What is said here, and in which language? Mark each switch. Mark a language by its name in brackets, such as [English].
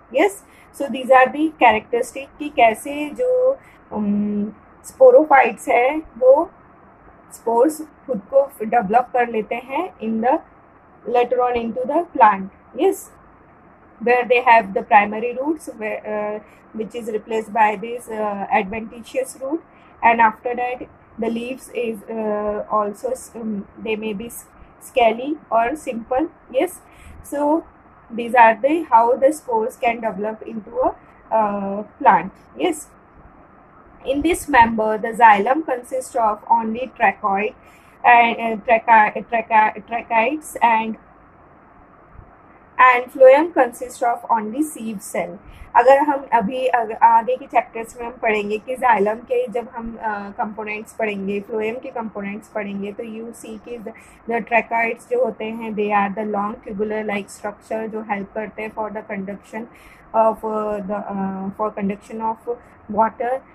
[English] yes, so these are the characteristic [Hindi] कि कैसे जो स्पोरोफाइट्स हैं वो स्पोर्स खुद को डेवलप कर लेते हैं [English] In the later on into the plant. Yes, where they have the primary roots which is replace by this adventitious root, and after that the leaves is also they may be scaly और simple. Yes, so these are the how the spores can develop into a plant. Yes, in this member the xylem consists of only trachoid and trachytes, and phloem consists of only sieve cell. [Hindi] अगर हम अभी आगे के chapters में हम पढ़ेंगे कि xylem के जब हम कंपोनेंट्स पढ़ेंगे, फ्लोएम के कंपोनेंट्स पढ़ेंगे, तो यू सी कि द ट्रैकॉइड्स जो होते हैं [English] they are the long tubular like structure [Hindi] जो हेल्प करते हैं [English] For the conduction of the for conduction of water.